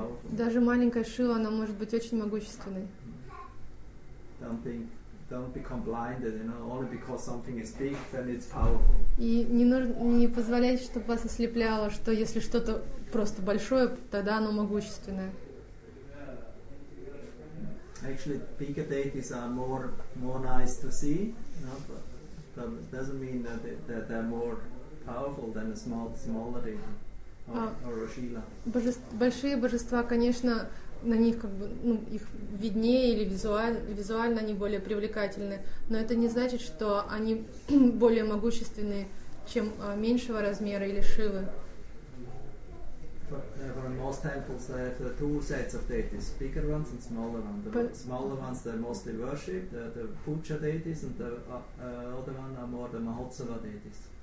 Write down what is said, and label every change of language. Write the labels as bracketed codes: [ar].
[ru] Даже маленькая шила, она может быть очень могущественной. [en] Don't become blinded, you know, only because something is big, then it's powerful. [ru] И не нужно, не позволяйте, чтобы вас ослепляло, что если что-то просто большое, тогда оно могущественное. [en] Actually, bigger deities are more nice to see, no? But it doesn't mean that they're more powerful than a smaller deity or a Shila. [ru] Большие божества, конечно, на них как бы, ну, их виднее или визуально они более привлекательны, но это не значит, что они более могущественные, чем меньшего размера или Шивы. [en] For most temples, they have two sets of deities: bigger ones and smaller ones. The smaller ones they mostly worship, the Puja deities, and the other ones are more the Mahotsava deities.